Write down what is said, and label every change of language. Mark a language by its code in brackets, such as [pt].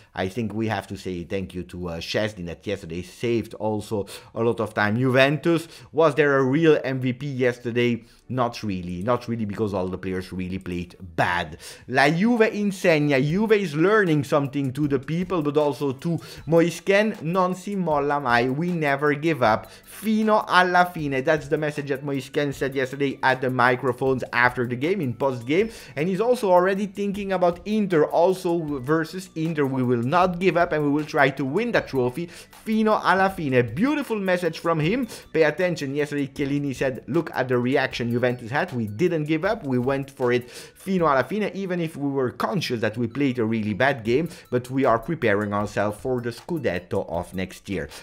[en] I think we have to say thank you to Szczesny, that yesterday saved also a lot of time. Juventus, was there a real real MVP yesterday? Not really, because all the players really played bad. [it] La Juve insegna, [en] Juve is learning something to the people, but also to Moisken. [it] Non si molla mai, [en] we never give up, [it] fino alla fine. [en] That's the message that Moisken said yesterday at the microphones after the game, in post-game. And he's also already thinking about Inter, also versus Inter. We will not give up and we will try to win that trophy, [it] fino alla fine. [en] Beautiful message from him. Pay attention, yesterday Chiellini said, look at the reaction Juventus had, we didn't give up, we went for it [it] fino alla fine, [en] even if we were conscious that we played a really bad game, but we are preparing ourselves for the Scudetto of next year.